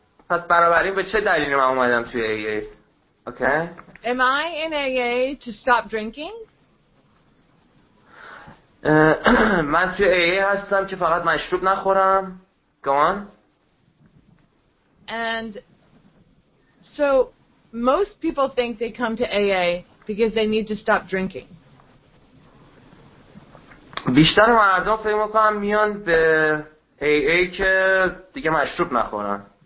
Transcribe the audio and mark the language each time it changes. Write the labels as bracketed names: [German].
[Persian] پس بنابراین به چه دلیلی من اومدم توی AA؟ [English] Okay. Am I in AA to stop drinking? [Persian] من توی AA هستم که فقط مشروب نخورم. [English] Go on. And so most people think they come to AA because they need to stop drinking. [Persian] بیشتر مردم فکر میکنن میان به AA که دیگه مشروب نخورن.